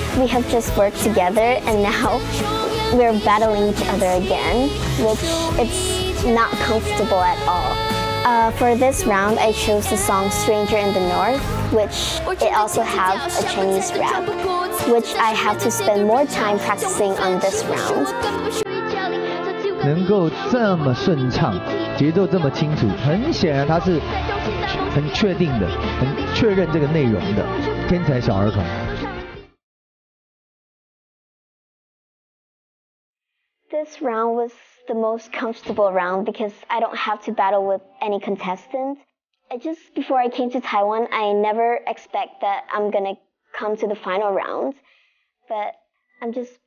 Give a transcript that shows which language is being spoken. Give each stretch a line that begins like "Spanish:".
English: We have just worked together and now we're battling each other again, which it's not comfortable at all. For this round, I chose the song Stranger in the North, which it also has a Chinese rap, which I have to spend more time practicing on this round.
Chinese: 能够这么顺畅，节奏这么清楚，很显然他是很确定的，很确认这个内容的天才小儿童。
English: This round was the most comfortable round because I don't have to battle with any contestant. Just before I came to Taiwan, I never expect that I'm gonna come to the final round, but I'm just.